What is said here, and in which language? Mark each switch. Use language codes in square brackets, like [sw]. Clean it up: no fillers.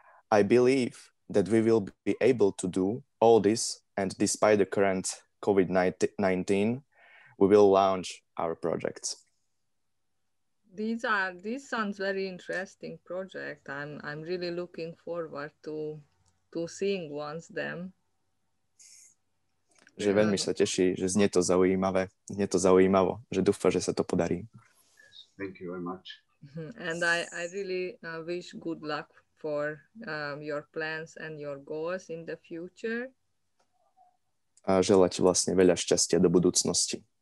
[en] I believe that we will be able to do all this, and despite the current COVID-19, we will launch our projects. This sounds very interesting project. I'm really looking forward to seeing once them. [sk] Že veľmi sa teší, že znie to zaujímavé, znie to zaujímavo, že dúfa, že sa to podarí. [en] Thank you very much. And I really wish good luck for your plans and your goals in the future. [sk] A želať vlastne veľa šťastia do budúcnosti.